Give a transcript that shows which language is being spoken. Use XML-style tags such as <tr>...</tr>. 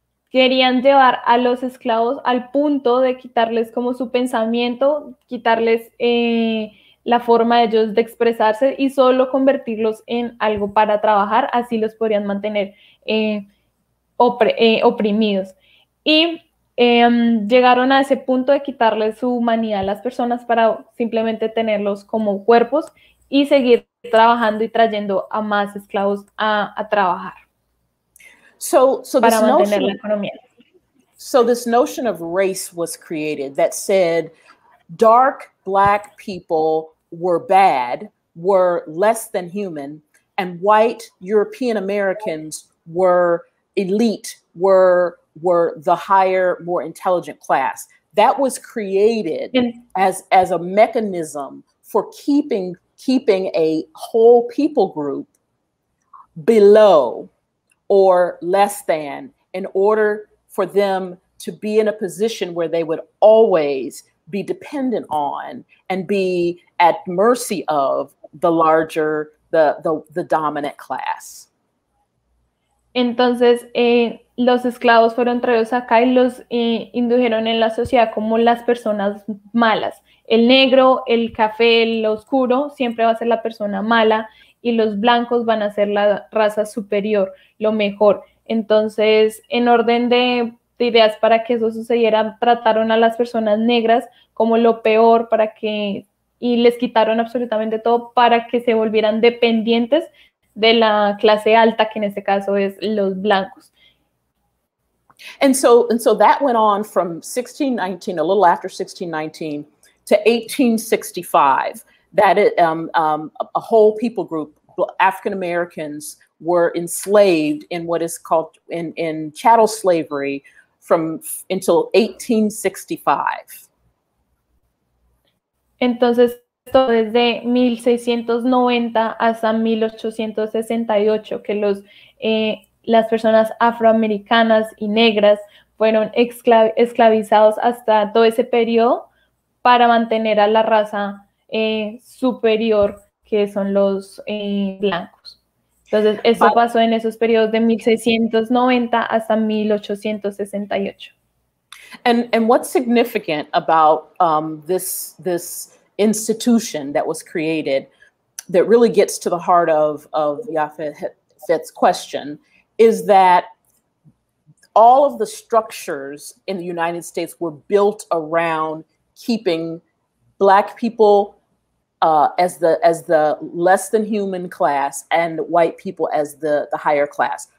<es>Querían llevar a los esclavos al punto de quitarles como su pensamiento, quitarles la forma de ellos de expresarse y solo convertirlos en algo para trabajar, así los podrían mantener oprimidos. Y llegaron a ese punto de quitarles su humanidad a las personas para simplemente tenerlos como cuerpos y seguir trabajando y trayendo a más esclavos a trabajar.</es> <en>So this notion of race was created that said dark black people were bad, were less than human, and white European Americans were elite, were the higher, more intelligent class. That was created as a mechanism for keeping a whole people group below or less than, in order for them to be in a position where they would always be dependent on and be at mercy of the larger, the dominant class.</en> <es>Entonces, los esclavos fueron traídos acá y los indujeron en la sociedad como las personas malas. El negro, el café, el oscuro, siempre va a ser la persona mala, y los blancos van a ser la raza superior, lo mejor. Entonces, en orden de ideas para que eso sucediera, trataron a las personas negras como lo peor para que, y les quitaron absolutamente todo para que se volvieran dependientes de la clase alta, que en este caso es los blancos.</es> <en>And so that went on from 1619, a little after 1619, to 1865. That it, a whole people group, African Americans, were enslaved in what is called in chattel slavery until 1865.</en> <es>Entonces, desde 1690 hasta 1868, que las personas afroamericanas y negras fueron esclavizados hasta todo ese periodo para mantener a la raza superior, que son los blancos. Entonces, eso pasó en esos periodos de 1690 hasta 1868.</es> <en>And what's significant about this institution that was created that really gets to the heart of Yafet's question is that all of the structures in the United States were built around keeping black people as the less than human class and white people as the higher class.</en>